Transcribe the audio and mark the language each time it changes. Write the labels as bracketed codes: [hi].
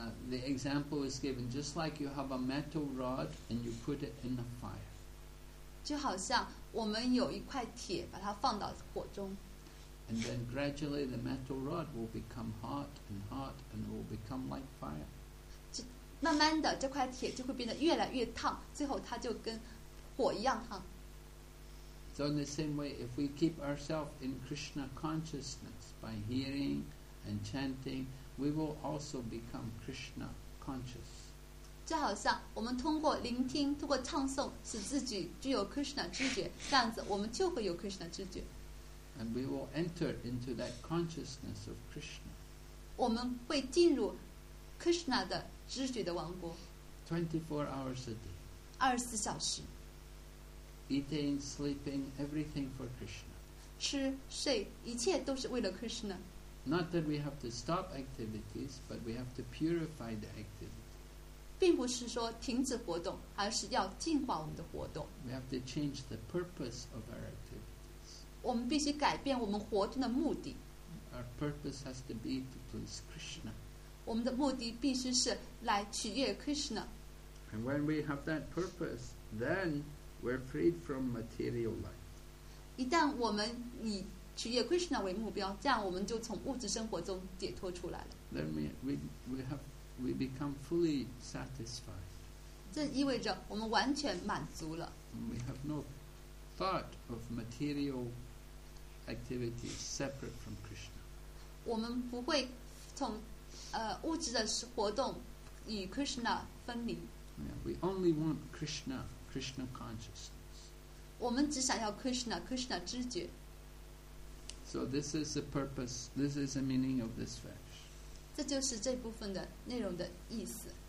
[en] The example is given just like you have a metal rod and you put it in the fire. [zh] 就好像我们有一块铁，把它放到火中。 [en] And then gradually the metal rod will become hot and hot and will become like fire. [zh] 慢慢的这块铁就会变得越来越烫，最后它就跟火一样烫。 [en] So in the same way, if we keep ourselves in Krishna consciousness by hearing and chanting, we will also become Krishna conscious. [zh] 就好像我们通过聆听，通过唱诵，使自己具有 Krishna 知觉，这样子我们就会有 Krishna 知觉。 [en] And we will enter into that consciousness of Krishna. [zh] 我们会进入 Krishna 的知觉的王国。 [en] 24 hours a day. [zh] 24小时。 [en] Eating, sleeping, everything for Krishna. [zh] 吃睡一切都是为了 Krishna。 [en] Not that we have to stop activities, but we have to purify the activities. [zh] 并不是说停止活动，而是要净化我们的活动。 [en] We have to change the purpose of our activities. [zh] 我们必须改变我们活动的目的。 [en] Our purpose has to be to please Krishna. [zh] 我们的目的必须是来取悦 Krishna. [en] And when we have that purpose, then we're freed from material life. [zh] 一旦我们以取悦 Krishna 为目标，这样我们就从物质生活中解脱出来了。 [en] Then we become fully satisfied. [zh] 这意味着我们完全满足了。 [en] We have no thought of material activities separate from Krishna. [zh] 我们不会从物质的活动与 Krishna 分离。 [en] Yeah, we only want Krishna, Krishna consciousness. [zh] 我们只想要 Krishna, Krishna 知觉。 [en] So this is the purpose, this is the meaning of this verse. [zh] 这就是这部分的内容的意思。